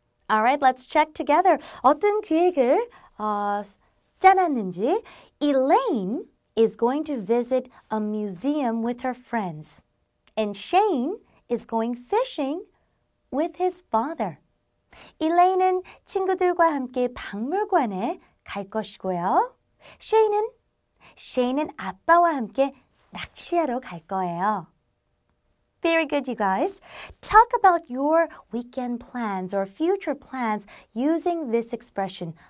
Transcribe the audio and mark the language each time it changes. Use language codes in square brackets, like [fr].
[en] All right, let's check together. [ko] 어떤 계획을 짜놨는지. [en] Elaine is going to visit a museum with her friends. And Shane is going fishing with his father. [ko] 일레인은 친구들과 함께 박물관에 갈 것이고요. 쉐인은 아빠와 함께 낚시하러 갈 거예요. [en] Very good, you guys. Talk about your weekend plans or future plans using this expression.